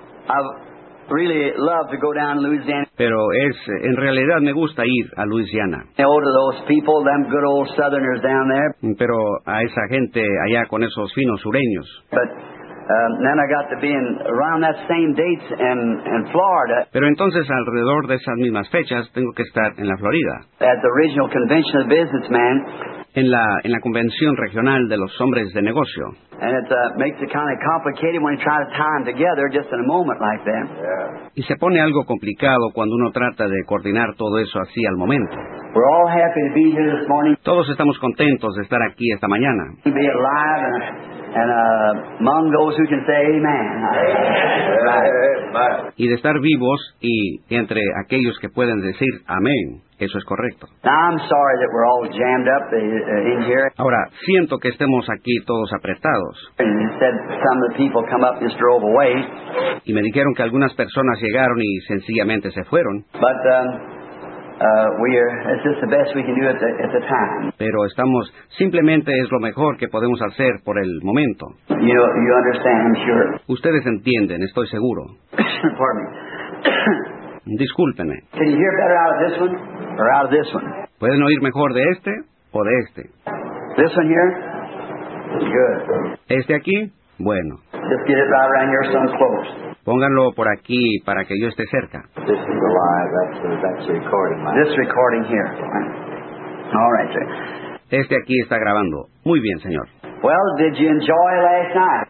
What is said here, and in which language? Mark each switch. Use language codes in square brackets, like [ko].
[en] I really love to go down to Louisiana. [es] Pero es, en realidad me gusta ir a Louisiana. [en] All of those people, them good old southerners down there. [es] Pero a esa gente allá con esos finos sureños. [en] But then I got to be in around that same dates in Florida. [es] Pero entonces alrededor de esas mismas fechas tengo que estar en la Florida. [en] At the regional convention of businessmen. [es] En la convención regional de los hombres de negocio. [en] And it makes it kind of complicated when you try to tie them together just in a moment like that. [es] Y se pone algo complicado cuando uno trata de coordinar todo eso así al momento. [en] We're all happy to be here this morning. [es] Todos estamos contentos de estar aquí esta mañana. [en] Be alive and among those who can say amen. [es] Y de estar vivos y entre aquellos que pueden decir amén. Eso es correcto. [en] Now, I'm sorry that we're all jammed up in here. [es] Ahora, siento que estemos aquí todos apretados. [en] And instead, some of the people come up and just drove away. [es] Y me dijeron que algunas personas llegaron y sencillamente se fueron. [en] But it's just the best we can do at the time. [es] Pero estamos, simplemente es lo mejor que podemos hacer por el momento. [en] You understand, I'm sure. [es] Ustedes entienden, estoy seguro. [en] Pardon me. [es] Discúlpeme. [en] Can you hear better out of this one or out of this one? [es] ¿Pueden oír mejor de este o de este? [en] This one here? Good. [es] ¿Este aquí? Bueno. [en] Just get it right around here so I'm close. [es] Pónganlo por aquí para que yo esté cerca. [en] This is alive. That's the recording. This recording here. All right, sir. [es] Este aquí está grabando. Muy bien, señor. [en] Well, did you enjoy last night?